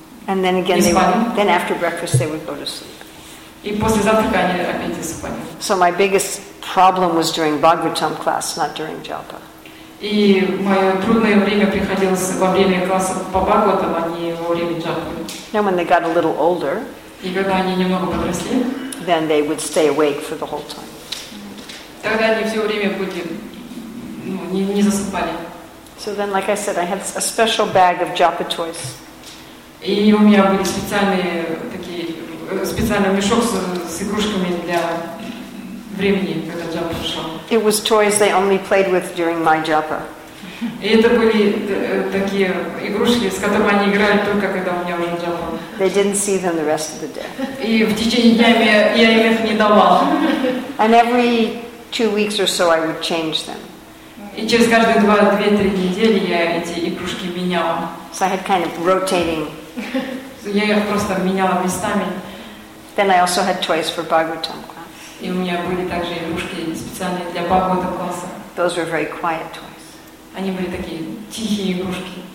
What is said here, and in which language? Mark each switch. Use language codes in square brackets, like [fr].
[en] And then again, then after breakfast, they would go to sleep. [ru] И после завтрака они опять засыпали. [en] So my biggest problem was during Bhagavatam class, not during Japa. [ru] И мое трудное время приходилось во время класса по Бхагаватам, а не во время Джапы. [en] Now when they got a little older, [ru] и когда они немного подросли, [en] then they would stay awake for the whole time. [ru] Тогда когда они все время были, ну, не засыпали. [en] So then, like I said, I had a special bag of Japa toys. [ru] И у меня были специальные такие, специальный мешок с игрушками для времени, когда Japa пришел. [en] It was toys they only played with during my Japa. [ru] И это были такие игрушки, с которыми они играли только когда у меня уже Japa. [en] They didn't see them the rest of the day. [ru] И в течение дня я им их не давал. [en] And every 2 weeks or so I would change them. [ru] И через каждые 2-3 недели я эти игрушки меняла. [en] So I had kind of rotating. [ru] Я их просто меняла местами. [en] Then I also had toys for Bhagavatam class. [ru] И у меня были также игрушки специальные для Бхагаватам класса. [en] Those were very quiet toys. [ru] Они были такие тихие игрушки.